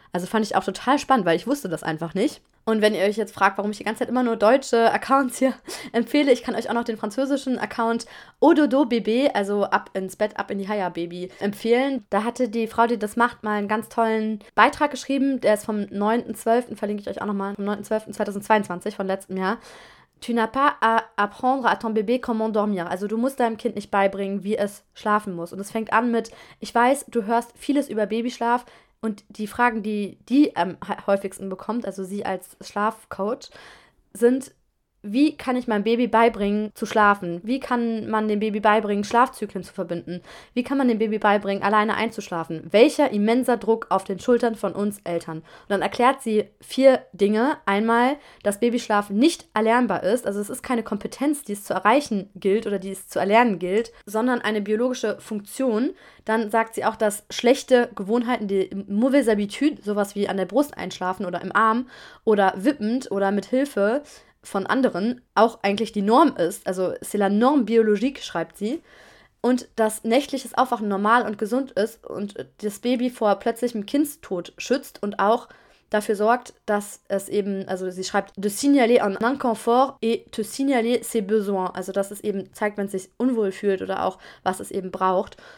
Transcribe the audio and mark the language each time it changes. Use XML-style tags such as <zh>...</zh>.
<de>Also fand ich auch total spannend, weil ich wusste das einfach nicht. Und wenn ihr euch jetzt fragt, warum ich die ganze Zeit immer nur deutsche Accounts hier empfehle, ich kann euch auch noch den französischen Account Ododo Bébé, also ab ins Bett, ab in die Haya Baby, empfehlen. Da hatte die Frau, die das macht, mal einen ganz tollen Beitrag geschrieben. Der ist vom 9.12., verlinke ich euch auch nochmal, vom 9.12.2022, von letztem Jahr.</de> <fr>Tu n'as pas à apprendre à ton bébé comment dormir.</fr> <de>Also du musst deinem Kind nicht beibringen, wie es schlafen muss. Und es fängt an mit, ich weiß, du hörst vieles über Babyschlaf. Und die Fragen, die die am häufigsten bekommt, also sie als Schlafcoach, sind, wie kann ich meinem Baby beibringen zu schlafen? Wie kann man dem Baby beibringen, Schlafzyklen zu verbinden? Wie kann man dem Baby beibringen, alleine einzuschlafen? Welcher immenser Druck auf den Schultern von uns Eltern? Und dann erklärt sie vier Dinge. Einmal, dass Babyschlaf nicht erlernbar ist. Also es ist keine Kompetenz, die es zu erreichen gilt oder die es zu erlernen gilt, sondern eine biologische Funktion. Dann sagt sie auch, dass schlechte Gewohnheiten, die</de> <fr>mauvaise habitude,</fr> <de>sowas wie an der Brust einschlafen oder im Arm oder wippend oder mit Hilfe von anderen, auch eigentlich die Norm ist. Also</de> <fr>c'est la norme biologique,</fr> <de>schreibt sie. Und dass nächtliches Aufwachen normal und gesund ist und das Baby vor plötzlichem Kindstod schützt und auch dafür sorgt, dass es eben, also sie schreibt,</de> <fr>de signaler un inconfort et te signaler ses besoins.</fr> <de>Also dass es eben zeigt, wenn es sich unwohl fühlt oder auch, was es eben braucht.</de>